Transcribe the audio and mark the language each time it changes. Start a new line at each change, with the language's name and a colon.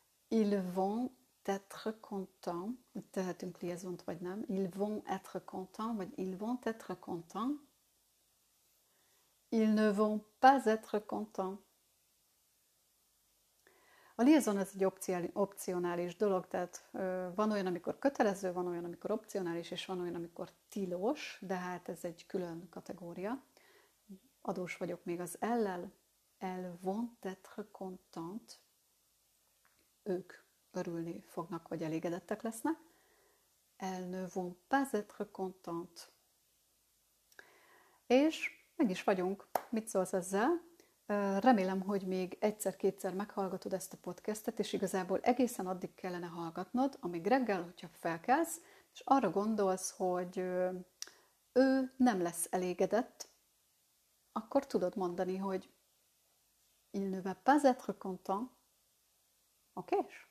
French: Ils vont être contents.
Hungarian: Tehet une liaison, vagy nem.
French: Ils vont être contents, vagy ils vont être contents. Ils ne vont pas être contents.
Hungarian: A liaison, ez egy opcionális dolog, tehát van olyan, amikor kötelező, van olyan, amikor opcionális, és van olyan, amikor tilos, de hát ez egy külön kategória. Adós vagyok még az ellel.
French: Elles vont être contentes.
Hungarian: Ők örülni fognak, vagy elégedettek lesznek.
French: Elles ne vont pas être contentes.
Hungarian: És meg is vagyunk. Mit szólsz ezzel? Remélem, hogy még egyszer-kétszer meghallgatod ezt a podcastet, és igazából egészen addig kellene hallgatnod, amíg reggel, hogyha felkelsz, és arra gondolsz, hogy ő nem lesz elégedett, akkor tudod mondani, hogy
French: il ne va pas être content.
Hungarian: Oké?